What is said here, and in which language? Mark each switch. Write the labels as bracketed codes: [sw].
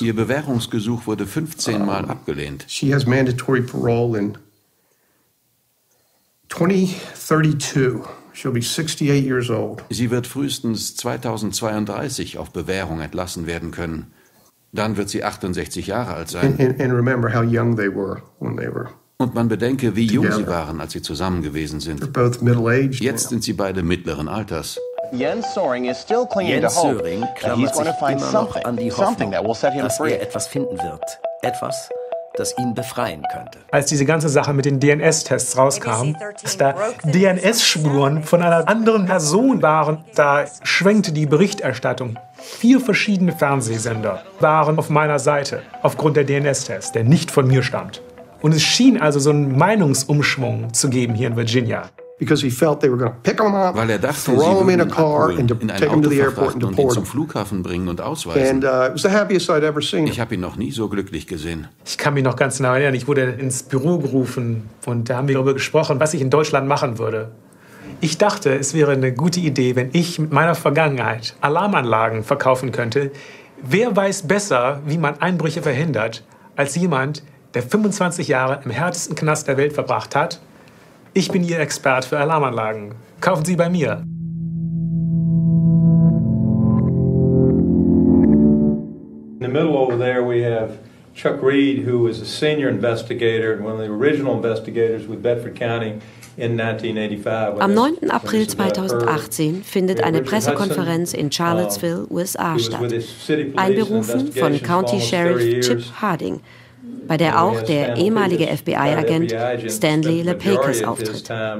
[de] Ihr Bewährungsgesuch wurde 15 Mal abgelehnt. [en] She has mandatory parole in 2032. She'll be 68 years old. [de] Sie wird frühestens 2032 auf Bewährung entlassen werden können. Dann wird sie 68 Jahre alt sein. [en] And remember how young they were when they were. [de] Und man bedenke, wie jung sie waren, als sie zusammen gewesen sind. [en] They're both middle-aged. [de] Jetzt sind sie beide mittleren Alters. [en] Jens Søring is still clinging to hope that he's going to find something that will set him free. [de] Dass er etwas finden wird, etwas, das ihn befreien könnte. Als diese ganze Sache mit den DNS-Tests rauskam, dass da DNS-Spuren von einer anderen Person waren, da schwenkte die Berichterstattung. Vier verschiedene Fernsehsender waren auf meiner Seite aufgrund der DNS-Tests, der nicht von mir stammt. Und es schien also so einen Meinungsumschwung zu geben hier in Virginia. [en] Because he felt they were going to pick him up, [de] weil er dachte, [en] throw him in a car and take him to the airport and deport him. And it was the happiest I'd ever seen. [de] Ich habe ihn noch nie so glücklich gesehen. Ich kann mich noch ganz genau erinnern. Ich wurde ins Büro gerufen und da haben wir darüber gesprochen, was ich in Deutschland machen würde. Ich dachte, es wäre eine gute Idee, wenn ich mit meiner Vergangenheit Alarmanlagen verkaufen könnte. Wer weiß besser, wie man Einbrüche verhindert, als jemand, der 25 Jahre im härtesten Knast der Welt verbracht hat? Ich bin Ihr Expert für Alarmanlagen. Kaufen Sie bei mir. [en] In the middle over there we have Chuck Reed, who was a senior investigator and one of the original investigators with Bedford County. [de] Am 9. April 2018 findet eine Pressekonferenz in Charlottesville, USA statt, einberufen von County Sheriff Chip Harding, bei der auch der ehemalige FBI-Agent Stanley LePakis auftritt.